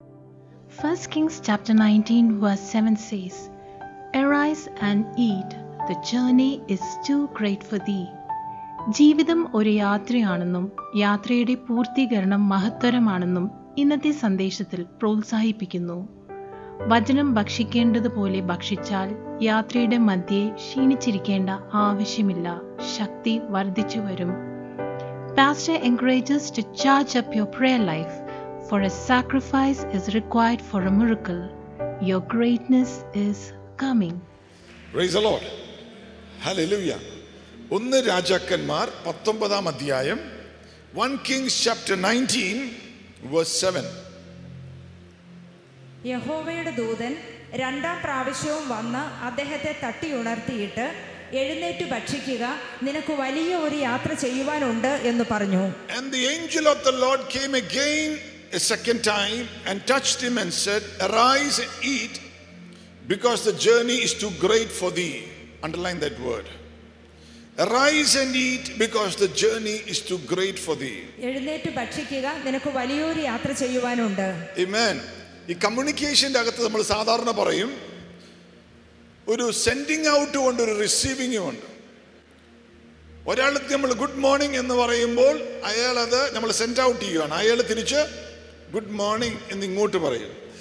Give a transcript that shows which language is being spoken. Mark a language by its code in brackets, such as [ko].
[en] 1 Kings chapter 19 verse 7 says, Arise and eat, the journey is too great for thee. [ml] ജീവിതം ഒരു യാത്രയാണെന്നും യാത്രയുടെ പൂർത്തീകരണം മഹത്തരമാണെന്നും ഇന്നത്തെ സന്ദേശത്തിൽ പ്രോത്സാഹിപ്പിക്കുന്നു. വചനം ഭക്ഷിക്കേണ്ടതുപോലെ ഭക്ഷിച്ചാൽ യാത്രയുടെ മധ്യേ ക്ഷീണിച്ചിരിക്കേണ്ട ആവശ്യമില്ല, ശക്തി വർദ്ധിച്ചു വരും. [en] Pastor encourages to charge up your prayer life, for a sacrifice is required for a miracle. Your greatness is coming. Praise the Lord. Hallelujah. [ml] 1 രാജാക്കന്മാർ 19 അധ്യായം [en] 1 Kings chapter 19 verse 7. [ml] യഹോവയുടെ ദൂതൻ രണ്ടാം പ്രാവശ്യവും വന്ന് അദ്ദേഹത്തെ തട്ടിയുണർത്തിയിട്ട് എഴുന്നേറ്റ് ഭക്ഷിക്കുക, നിനക്ക് വലിയ ഒരു യാത്ര ചെയ്യുവാനുണ്ട് എന്ന് പറഞ്ഞു. [en] And the angel of the Lord came again a second time and touched him and said, Arise and eat, because the journey is too great for thee. Underline that word. Arise and eat, because the journey is too great for thee. [ml] എഴുന്നേറ്റ് ഭക്ഷിക്കുക, നിനക്ക് വലിയ ഒരു യാത്ര ചെയ്യുവാനുണ്ട്. [en] Amen. [ml] ഈ കമ്മ്യൂണിക്കേഷന്റെ അകത്ത് നമ്മൾ സാധാരണ പറയും, ഒരു സെൻഡിങ് ഔട്ടും ഉണ്ട്, ഒരു റിസീവിങ്ങും ഉണ്ട്. ഒരാൾക്ക് നമ്മൾ ഗുഡ് മോർണിംഗ് എന്ന് പറയുമ്പോൾ അയാളത് നമ്മൾ സെൻഡ് ഔട്ട് ചെയ്യുകയാണ്, അയാൾ തിരിച്ച് ഗുഡ് മോർണിംഗ് എന്ന് ഇങ്ങോട്ട് പറയും.